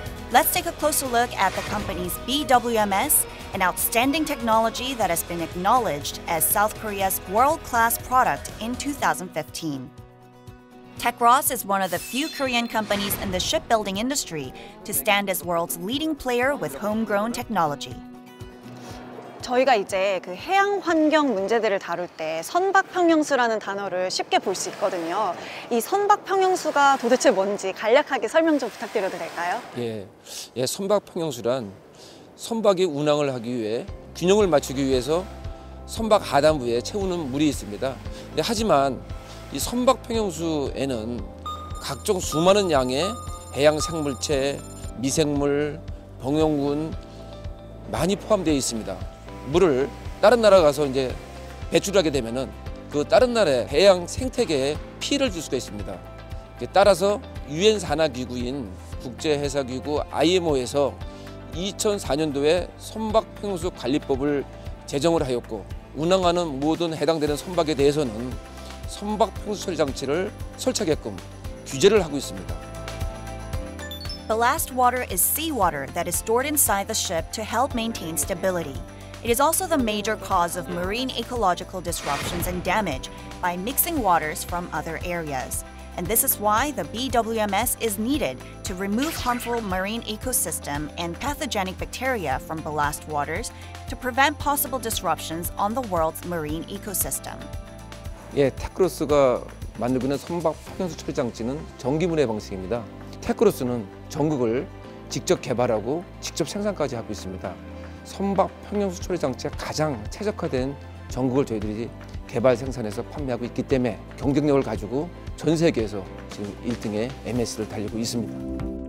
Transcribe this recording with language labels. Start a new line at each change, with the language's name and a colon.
English: Let's take a closer look at the company's BWMS, an outstanding technology that has been acknowledged as South Korea's world-class product in 2015. TECHCROSS is one of the few Korean companies in the shipbuilding industry to stand as world's leading player with homegrown technology.
Korean: 저희가 이제 그 해양 환경 문제들을 다룰 때 선박 평형수라는 단어를 쉽게 볼 수 있거든요. 이 선박 평형수가 도대체 뭔지 간략하게 설명 좀 부탁드려도 될까요? 예, 선박 평형수란 선박이 운항을 하기 위해 균형을 맞추기 위해서 선박 하단부에 채우는 물이 있습니다. 하지만 이 선박 평형수에는 각종 수많은 양의 해양 생물체, 미생물, 병영군 많이 포함되어 있습니다. 물을 다른 나라 가서 이제 배출하게 되면은 그 다른 나라의 해양 생태계에 피해를 줄 수가 있습니다. 따라서 유엔 산하 기구인 국제 해사 기구 IMO에서 2004년도에 선박 평형수 관리법을 제정을 하였고 운항하는 모든 해당되는 선박에 대해서는 선박 평수철 장치를 설치하게끔 규제를 하고 있습니다.
English: Ballast water is seawater that is stored inside the ship to help maintain stability. It is also the major cause of marine ecological disruptions and damage by mixing waters from other areas. And this is why the BWMS is needed to remove harmful marine ecosystem and pathogenic bacteria from ballast waters to prevent possible disruptions on the world's marine ecosystem.
Korean: 예, 테크로스가 만들고 있는 선박 평형수 처리 장치는 전기분해 방식입니다. 테크로스는 전극을 직접 개발하고 직접 생산까지 하고 있습니다. 선박 평형수 처리 장치에 가장 최적화된 전극을 저희들이 개발 생산해서 판매하고 있기 때문에 경쟁력을 가지고 전 세계에서 지금 1등의 MS를 달리고 있습니다.